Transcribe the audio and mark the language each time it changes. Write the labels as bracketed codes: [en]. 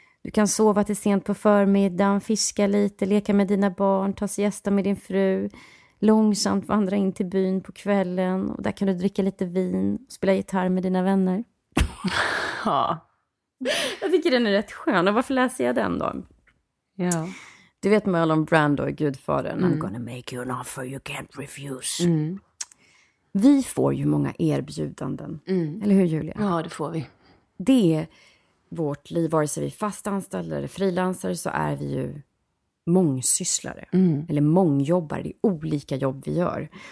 [sv] Du kan sova till sent på förmiddagen, fiska lite, leka med dina barn, ta siesta med din fru. Långsamt vandra in till byn på kvällen. Och där kan du dricka lite vin och spela gitarr med dina vänner. Ja. Jag tycker den är rätt skön. Och varför läser jag den då? Ja. Du vet Marlon Brando är gudfaren. [en] I'm gonna make you an offer you can't refuse. [sv] Mm. Vi får ju många erbjudanden. Mm. Eller hur, Julia? Ja, det får vi. Det är vårt liv, vare sig vi är fastanställda eller frilansare, så är vi ju mångsysslare. Mm. Eller mångjobbare. Det är olika jobb vi gör.